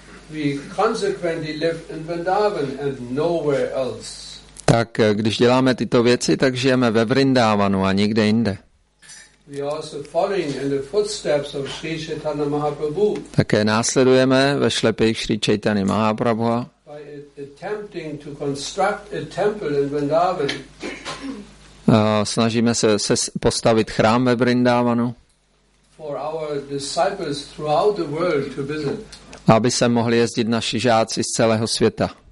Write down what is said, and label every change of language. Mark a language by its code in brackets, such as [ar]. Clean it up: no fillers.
[en] We consequently live in Vrindavan and nowhere else. [cs] Tak když děláme tyto věci, tak žijeme ve Vrindavanu a nikde jinde. [en] We also following in the footsteps of Sri Chaitanya Mahaprabhu. [cs] Také následujeme ve šlepích Sri Chaitany Mahaprabhu. [en] Attempting to construct a temple in Vrindavan. [cs] Snažíme se postavit chrám ve Vrindavanu. [en] For our disciples throughout the world to visit. [cs] Aby se mohli jezdit naši žáci z celého světa.